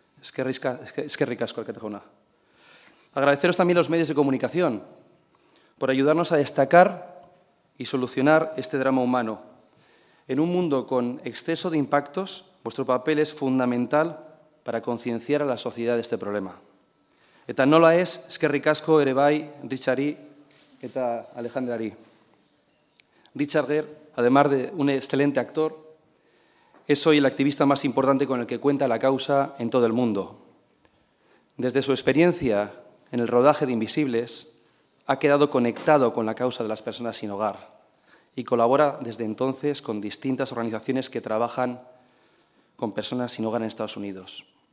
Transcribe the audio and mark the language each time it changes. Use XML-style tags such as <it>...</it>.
<eu>Eskerrik asko, alkate jauna.</eu> <es>Agradeceros también los medios de comunicación por ayudarnos a destacar y solucionar este drama humano. En un mundo con exceso de impactos, vuestro papel es fundamental para concienciar a la sociedad de este problema.</es> <eu>Eta nola ez, eskerrik asko ere bai, Richari eta Alejandrari.</eu> <es>Richard Gere, además de un excelente actor, es hoy el activista más importante con el que cuenta la causa en todo el mundo. Desde su experiencia en el rodaje de Invisibles, ha quedado conectado con la causa de las personas sin hogar y colabora desde entonces con distintas organizaciones que trabajan con personas sin hogar en Estados Unidos.</es>